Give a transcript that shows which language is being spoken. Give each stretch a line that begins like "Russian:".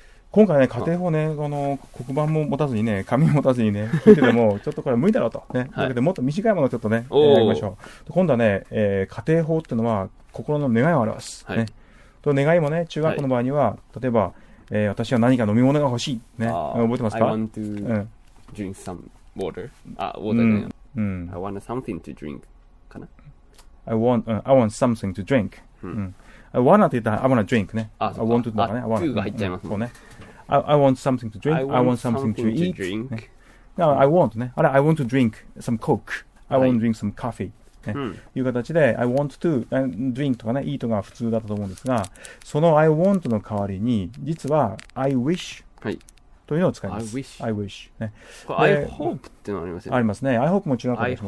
Japanese: 今回ね、仮定法ね、この黒板も持たずにね、紙も持たずにね、聞いてても、ちょっとこれ無理だろうと、ね。はい、もっと短いものをちょっとね、やりましょう。今度はね、仮定法っていうのは、心の願いを表す、はい、ね。と願いもね、中学校の場合には、はい、例えば、私は何か飲み物が欲しい、ね。覚えてますか？
English: I want to drink some water. Water. I want something to drink.
Japanese: かな。
English: I want something to drink.、
Japanese: うん、
English: I wanna
Japanese: って言ったら、
English: I wanna drink ね。あ、 I want to
Japanese: とかね。 to が入っちゃいますもん。うん、そうね。
English: I want something to drink. I want something to eat.
Japanese: ね、だから、
English: I want ね。あれ、I want to drink some coke. I want to drink some coffee.、
Japanese: ね、はい、いう形で、
English: I want to drink
Japanese: とかね、eat が普通だったと思うんですが、その I want の代わりに、実は、I wish、はい、というのを使います。
English: I wish。 I wish、ね、
Japanese: これ、I hope っていうのありますよね。ありますね。 I hope も違うかもしれ